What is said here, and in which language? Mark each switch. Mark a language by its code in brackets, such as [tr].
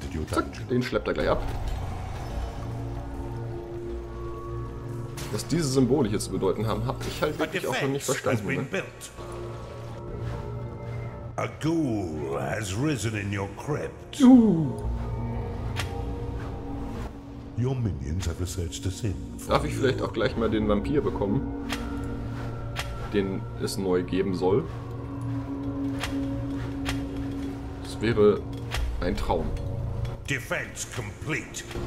[de] Zack, den schleppt er gleich ab. Was diese Symbole hier zu bedeuten haben, habe ich halt wirklich auch noch nicht verstanden. Ne? [en] A ghoul has risen in your crypt. Your minions have researched the sin. [de] Darf ich vielleicht auch gleich mal den Vampir bekommen, den es neu geben soll? Das wäre ein Traum. [en] Defense complete.